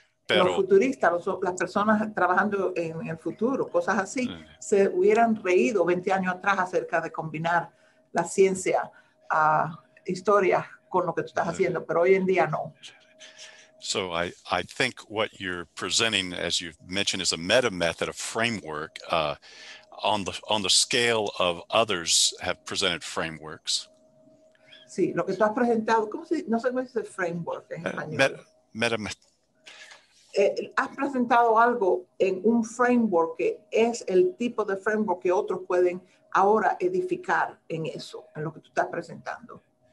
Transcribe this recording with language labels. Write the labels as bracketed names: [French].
[Spanish] Pero, los futuristas, las personas trabajando en el futuro, cosas así, se hubieran reído 20 años atrás acerca de combinar la ciencia, historia, con lo que tú estás haciendo, pero hoy en día no. [English] So I think what you're presenting, as you've mentioned, is a meta method, a framework on the scale of others have presented frameworks. [Spanish] Sí, lo que tú has presentado, ¿cómo se, no sé cómo se dice framework en español? Has presentado algo en un framework que es el tipo de framework que otros pueden ahora edificar en eso, en lo que tú estás presentando.